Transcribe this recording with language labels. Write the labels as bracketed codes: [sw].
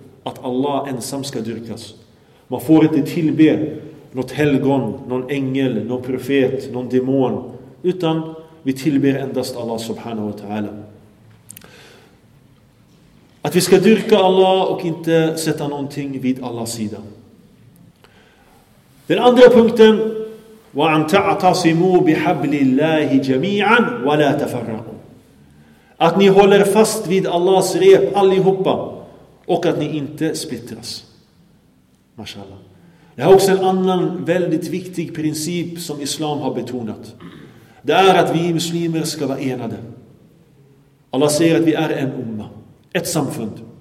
[sv] Att Allah ensam ska dyrkas. Man får inte tillbe något helgon, någon ängel, någon profet, någon demon. Utan vi tillber endast Allah subhanahu wa ta'ala. Att vi ska dyrka Allah och inte sätta någonting vid Allahs sida. Den andra punkten: [ar] وَأَنْ تَعْتَصِمُوا بِحَبْلِ اللَّهِ جَمِيعًا وَلَا تَفَرَّقُوا. [sv] Att ni håller fast vid Allahs rep allihopa och att ni inte splittras. Mashallah. Det är också en annan väldigt viktig princip som islam har betonat. Det är att vi muslimer ska vara enade. Allah säger att vi är en umma, ett samfund.